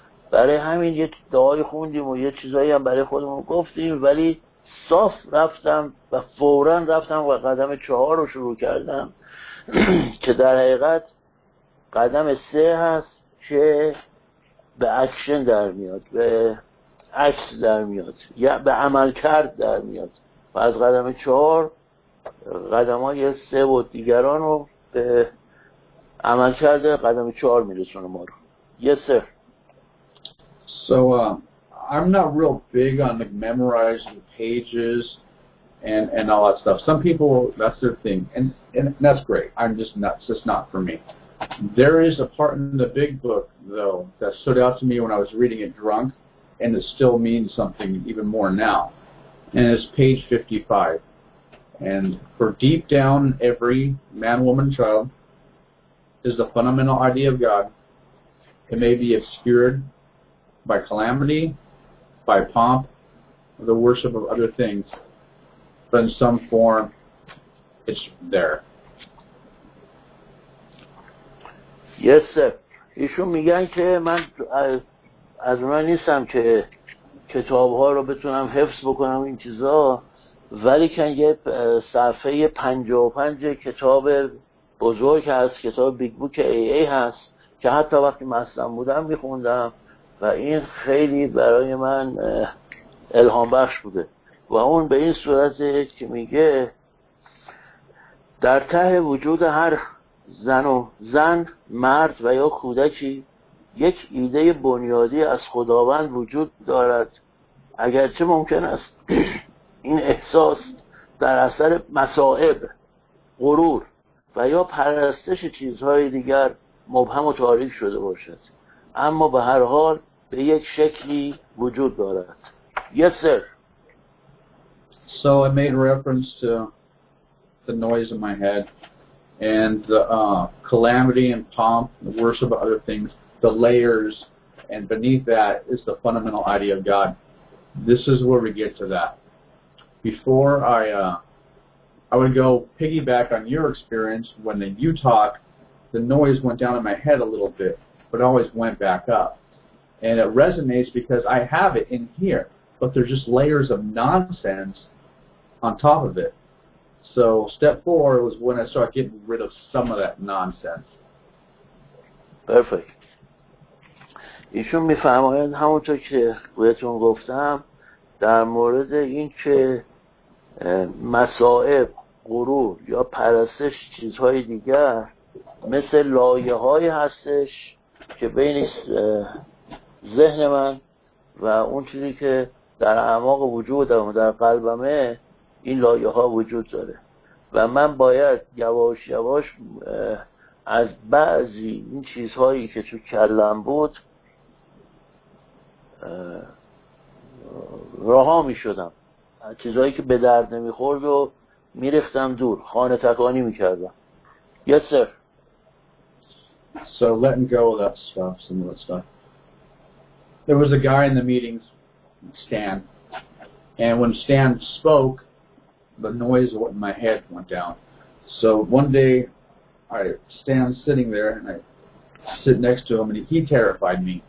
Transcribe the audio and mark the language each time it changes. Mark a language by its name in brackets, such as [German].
[Persian] برای همین یه دعایی خوندیم و یه چیزایی هم برای خودمون گفتیم ولی صاف رفتم و فوراً رفتم و قدم چهار رو شروع کردم که در حقیقت قدم سه هست که به اکشن در میاد، به اکس در میاد یا به عمل کرد در میاد و از قدم چهار قدم های سه و دیگران رو به عمل کرده قدم چهار میرسونه ما رو. [English] Yes, sir. So I'm not real big on like memorizing pages and all that stuff. Some people, that's their thing, and that's great. I'm just nuts. It's not for me. There is a part in the big book, though, that stood out to me when I was reading it drunk, and it still means something even more now, and it's page 55. And for deep down, every man, woman, child is the fundamental idea of God. It may be obscured by calamity, by pomp, the worship of other things, but in some form, it's there. Yes, sir. [Persian] ایشون میگن که من از من نیستم که کتابها رو بتونم حفظ بکنم این چیزا، ولی که یه صفحه 55 کتاب بزرگ هست، کتاب بیگ بوک AA هست که حتی وقتی مستم بودم میخوندم و این خیلی برای من الهام بخش بوده و اون به این صورته که میگه در ته وجود هر زن و زن، مرد و یا کودکی یک ایده بنیادی از خداوند وجود دارد، اگرچه ممکن است این احساس در اثر مصائب، غرور و یا پرستش چیزهای دیگر مبهم و تاریک شده باشد، اما به هر حال به یک شکلی وجود دارد. [English] Yes, sir. So I made reference to the noise in my head and the calamity and pomp, the worship of other things, the layers, and beneath that is the fundamental idea of God. This is where we get to that. Before I would go piggyback on your experience when you talk, the noise went down in my head a little bit, but always went back up. And it resonates because I have it in here, but there's just layers of nonsense on top of it. So step four was when I started getting rid of some of that nonsense. Perfect. [Persian] ایشون می فرماین همونطور که بهتون گفتم در مورد این که مصائب، غرور یا پرستش چیزهای دیگر مثل لایه های هستش که بین ذهن من و اون چیزی که در اعماق وجودم و در قلبمه این لایه ها وجود داره و من باید یواش یواش از بعضی این چیزهایی که تو کلم بود راها می شدم، چیزهایی که به درد نمی خورد و می رفتم دور، خانه تکانی می کردم. [English] Yes sir. So letting go of that stuff, some of that stuff. There was a guy in the meetings, Stan, and when Stan spoke, the noise in my head went down. So one day, Stan's sitting there, and I sit next to him, and he terrified me.